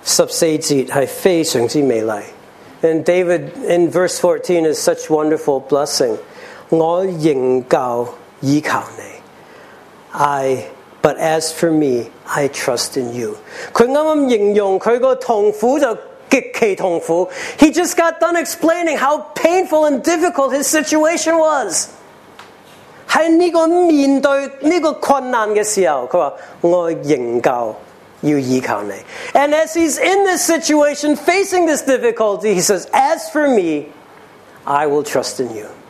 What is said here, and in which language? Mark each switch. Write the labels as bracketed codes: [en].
[zh] 大卫用这个十四节是非常之美丽。 [en] And David in verse 14 is such wonderful blessing. [zh] 我仍旧倚靠你。 [en] But as for me, I trust in you. [zh] 他刚刚形容他的痛苦就 [en] He just got done explaining how painful and difficult his situation was. [zh] 在这个面对这个困难的时候，他说：“我仍旧要依靠你。” [en] And as he's in this situation, facing this difficulty, he says, "As for me, I will trust in you."